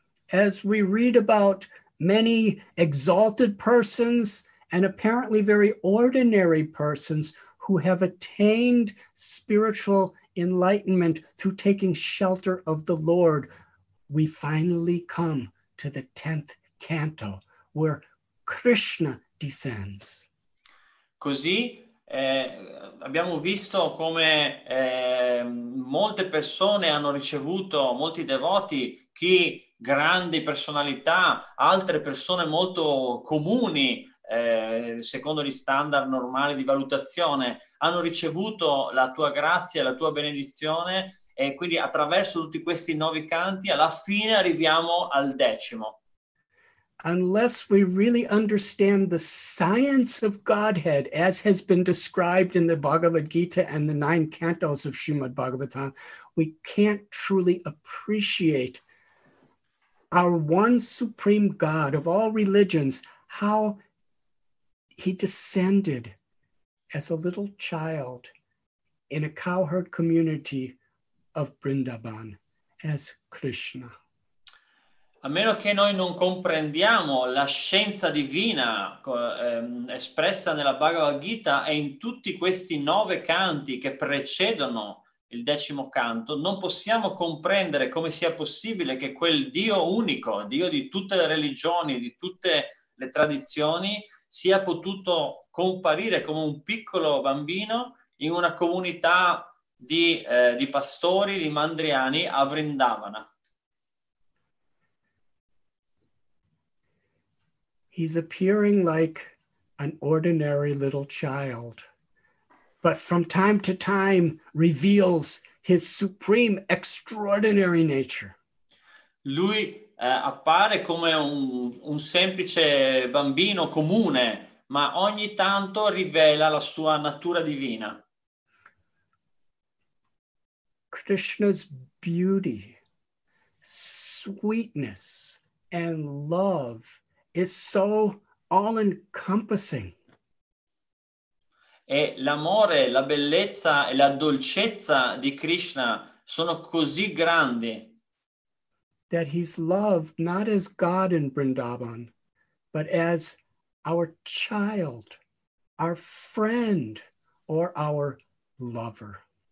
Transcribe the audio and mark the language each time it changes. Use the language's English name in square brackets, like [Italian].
[English] As we read about many exalted persons and apparently very ordinary persons who have attained spiritual enlightenment through taking shelter of the Lord, we finally come to the 10th canto, where Krishna descends. [Italian] Così abbiamo visto come molte persone hanno ricevuto, molti devoti, chi grandi personalità, altre persone molto comuni, secondo gli standard normali di valutazione, hanno ricevuto la tua grazia, la tua benedizione. E quindi attraverso tutti questi nove canti alla fine arriviamo al decimo. [English] Unless we really understand the science of Godhead as has been described in the Bhagavad Gita and the nine cantos of Srimad Bhagavatam, we can't truly appreciate our one supreme God of all religions, how he descended as a little child in a cowherd community of Vrindavan as Krishna. [Italian] A meno che noi non comprendiamo la scienza divina espressa nella Bhagavad Gita e in tutti questi nove canti che precedono il decimo canto, non possiamo comprendere come sia possibile che quel Dio unico, Dio di tutte le religioni, di tutte le tradizioni, sia potuto comparire come un piccolo bambino in una comunità di pastori, di mandriani a Vrindavana. [English] He's appearing like an ordinary little child, but from time to time reveals his supreme extraordinary nature. [Italian] Lui appare come un semplice bambino comune, ma ogni tanto rivela la sua natura divina. [English] Krishna's beauty, sweetness, and love is so all-encompassing. [Italian] E l'amore, la bellezza e la dolcezza di Krishna sono così grandi [English] that he's loved not as God in Vrindavan, but as our child, our friend, or our lover.